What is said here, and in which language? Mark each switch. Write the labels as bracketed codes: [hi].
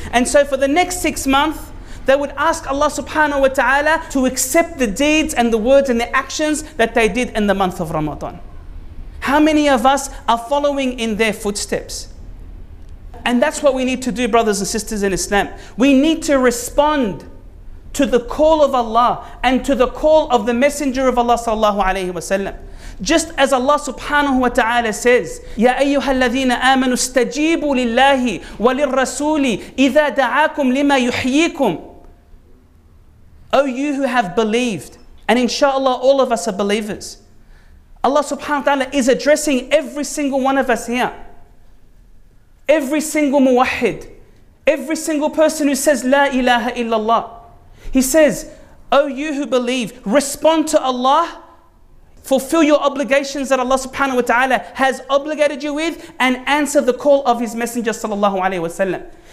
[en] And so for the next 6 months, they would ask Allah subhanahu wa ta'ala to accept the deeds and the words and the actions that they did in the month of Ramadan. How many of us are following in their footsteps? And that's what we need to do, brothers and sisters in Islam. We need to respond to the call of Allah and to the call of the Messenger of Allah sallallahu alayhi wa sallam. Just as Allah subhanahu wa ta'ala says, [ar] يَا أَيُّهَا الَّذِينَ آمَنُوا اسْتَجِيبُوا لِلَّهِ وَلِلْرَّسُولِ إِذَا دَعَاكُمْ لِمَا يُحْيِيكُمْ. [en] O you who have believed, and inshallah all of us are believers, Allah subhanahu wa ta'ala is addressing every single one of us here. Every single muwahid, every single person who says La ilaha illallah. He says, O you who believe, respond to Allah, fulfill your obligations that Allah subhanahu wa ta'ala has obligated you with, and answer the call of His Messenger sallallahu alayhi wa sallam.